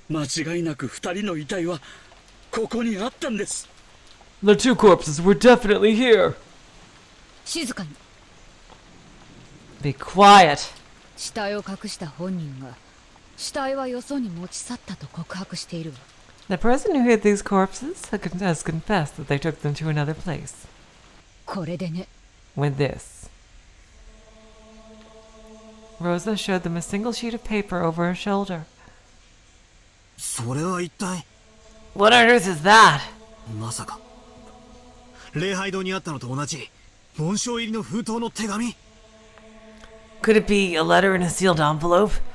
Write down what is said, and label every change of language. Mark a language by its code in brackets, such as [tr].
[ja] 間違いなく二人の遺体はここにあったんです。 [en] The two corpses were definitely here. [ja] 静かに。 [en] Be quiet. [ja] 死体を隠した本人が死体はよそに持ち去ったと告白しているわ。 [en] The person who hid these corpses has confessed that they took them to another place. [ja] これでね。 [en] With this. Rosa showed them a single sheet of paper over her shoulder. [ja] それは一体... [en] What on earth is that? [ja] まさか... 礼拝堂にあったのと同じ紋章入りの封筒の手紙? [en] Could it be a letter in a sealed envelope?